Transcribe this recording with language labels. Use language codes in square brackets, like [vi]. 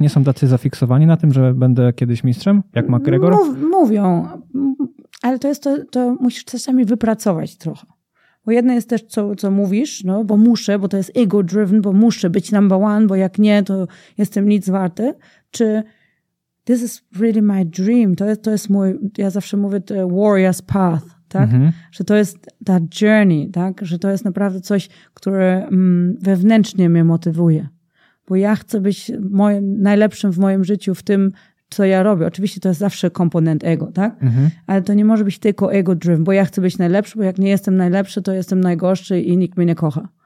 [pl] Nie są tacy zafiksowani na tym, że będę kiedyś mistrzem, jak McGregor? Mówią. Ale to jest to musisz czasami wypracować trochę. Bo jedno jest też, co mówisz, no bo muszę, bo to jest ego-driven, bo muszę być [en] number one, [pl] bo jak nie, to jestem nic warty. [en] Czy this is really my dream. [pl] To jest mój, ja zawsze mówię, [en] the warrior's path, [pl] tak? Mhm. Że to jest ta journey, tak? Że to jest naprawdę coś, które wewnętrznie mnie motywuje. bo ja chcę być najlepszym w moim życiu w tym, co ja robię. Oczywiście to jest zawsze komponent ego, tak? Mhm. Ale to nie może być tylko ego driven, bo ja chcę być najlepszy, bo jak nie jestem najlepszy, to jestem najgorszy i nikt mnie nie kocha.